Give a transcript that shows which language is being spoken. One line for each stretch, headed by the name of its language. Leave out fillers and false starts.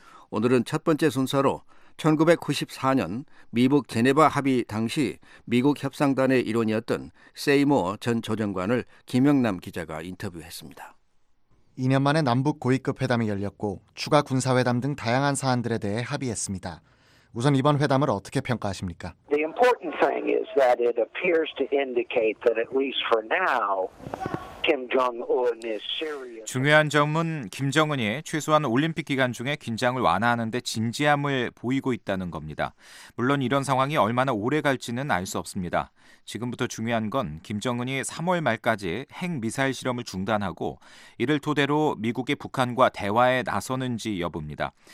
Korean: 오늘은 첫 번째 순서로 1994년 미북 제네바 합의 당시 미국 협상단의 일원이었던 세이모어 전 조정관을 김영남 기자가 인터뷰했습니다. 2년 만에 남북 고위급 회담이 열렸고 추가 군사회담 등 다양한 사안들에 대해 합의했습니다. 우선 이번 회담을 어떻게 평가하십니까?
English: The important thing is that it appears to indicate that at least for now, Kim Jong-un is serious.
Korean: 중요한 점은 김정은이 최소한 올림픽 기간 중에 긴장을 완화하는 데 진지함을 보이고 있다는 겁니다. 물론 이런 상황이 얼마나 오래 갈지는 알 수 없습니다. 지금부터 중요한 건 김정은이 3월 말까지 핵미사일 실험을 중단하고 이를 토대로 미국이 북한과 대화에 나서는지 여부입니다.